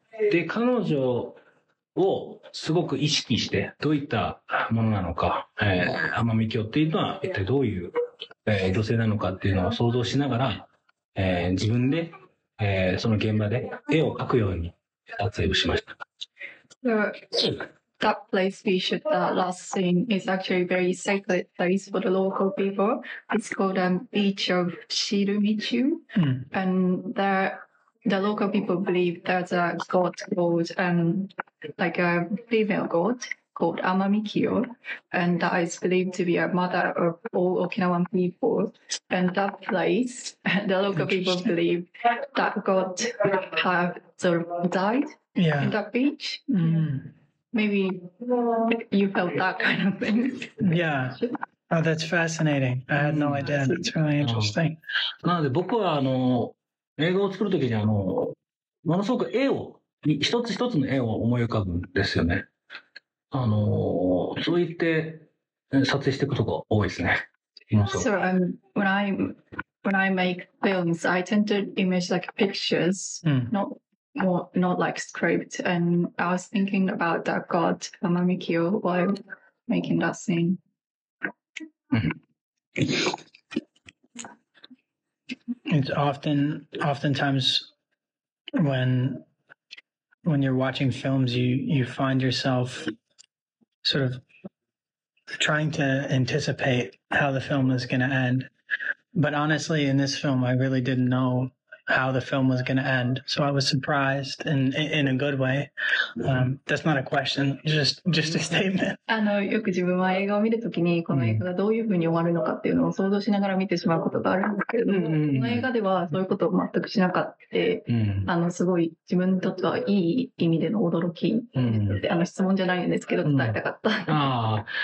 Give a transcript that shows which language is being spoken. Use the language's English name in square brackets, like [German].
[Japanese] で、彼女をすごく意識して、どういったものなのか、奄美清っていうのは、一体どういう、女性なのかっていうのを想像しながら、自分で、その現場で絵を描くように撮影をしました。 [English] That place we shoot the last scene is actually a very sacred place for the local people. It's called the Beach of Shirumichu. And the local people believe there's a god called, like a female god called Amamikyo. And that is believed to be a mother of all Okinawan people. And that place, the local people believe that god have sort of died in that beach. Maybe you felt that kind of thing. Yeah. Oh, that's fascinating. I had no idea. That's really interesting. [Japanese] なので僕は映画を作るときにものすごく絵を、一つ一つの絵を思い浮かぶんですよね。そう言って撮影していくとこ多いですね。 [English] So, when I make films, I tend to image like pictures, not like script, and I was thinking about that god Amamikyo while making that scene. It's oftentimes when you're watching films, you find yourself sort of trying to anticipate how the film is going to end. But honestly, in this film, I really didn't know how the film was going to end. So I was surprised in a good way. That's not a question, just a statement. [Japanese] よく自分は映画を見るときに、この映画がどういうふうに終わるのかっていうのを想像しながら見てしまうことがあるんですけれども、この映画ではそういうことを全くしなかった。すごい自分にとってはいい意味での驚き。質問じゃないんですけど、伝えたかった。